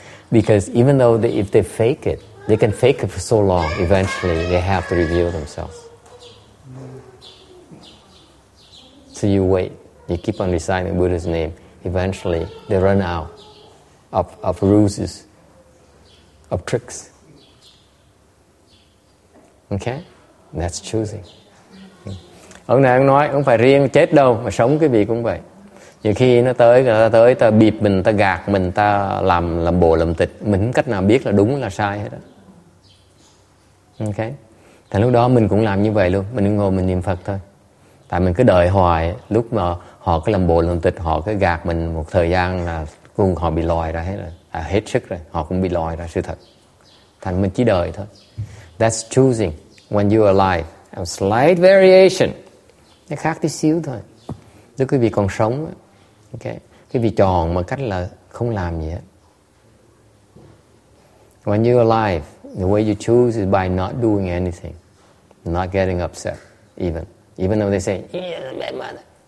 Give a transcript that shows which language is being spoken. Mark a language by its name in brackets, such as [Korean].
[English] Because even though if they fake it. They can fake it for so long, eventually they have to reveal themselves. So you wait, you keep on reciting Buddha's name, eventually they run out of ruses, of tricks. Okay? That's choosing. [Vietnamese] Ông này nói, không phải riêng chết đâu, mà sống cái vị cũng vậy. Nhiều khi nó tới, ta bịp mình, ta gạt mình, ta làm bộ, làm tịch, mình không cách nào biết là đúng là sai hết đó. Okay. Thì lúc đó mình cũng làm như vậy luôn. Mình ngồi mình niệm Phật thôi. Tại mình cứ đợi hoài. Lúc mà họ cứ làm bộ làm tịch, họ cứ gạt mình một thời gian là cùng họ bị lòi ra hết rồi. À, hết sức rồi. Họ cũng bị lòi ra sự thật. Thành mình chỉ đợi thôi. [English] That's choosing when you're alive. A slight variation. [Vietnamese] Nó khác tí xíu thôi. Nếu quý vị còn sống. Okay. Quý vị chọn một cách là không làm gì hết. [English] When you're alive. The way you choose is by not doing anything, not getting upset, even though they say, "Yeah, bad mother."